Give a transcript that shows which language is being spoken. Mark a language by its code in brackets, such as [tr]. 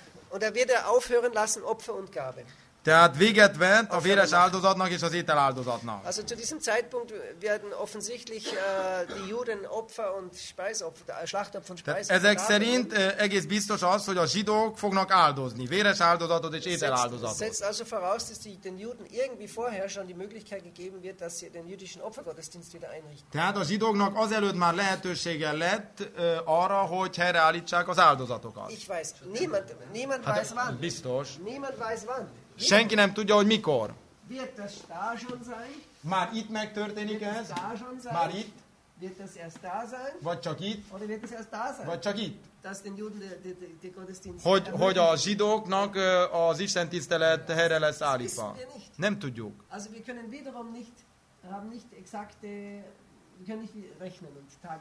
[de] Und er wird aufhören lassen, Opfer und Gabe. [hu] Tehát véget vett a véres áldozatnak és az étel áldozatnak. [de] Also zu diesem Zeitpunkt werden offensichtlich die Juden Opfer und Speiseopfer, Schlachtopfer und Speiseopfer. [hu] Ezek szerint egész biztos az, hogy a zsidók fognak áldozni, véres áldozatot és étel áldozatot. [de] Setzt also voraus, dass die den Juden irgendwie vorher schon die Möglichkeit gegeben wird, dass sie den jüdischen Opfergottesdienst wieder einrichten. [hu] Tehát a zsidóknak azelőtt már lehetősége lett arra, hogy helyreállítsák az áldozatokat. [de] Ich weiß, niemand hát, weiß wann. [hu] Biztos. [de] Niemand weiß wann. [hu] Senki nem tudja, hogy mikor. [de] Wird das da schon sein? [hu] Már itt megtörténik [de] wird [hu] ez? [de] Da schon sein? [hu] Már itt? [de] Wird das erst da sein? [hu] Vagy csak itt? [de] Oder wird das erst da sein? [hu] Vagy csak itt? [de] Dass den Juden die Gottesdienst [hu] hogy a zsidóknak az istentisztelet helyre lesz állítva. Nem tudjuk. [de] Also wir können wiederum nicht, haben nicht exakte, wir können nicht rechnen und Tage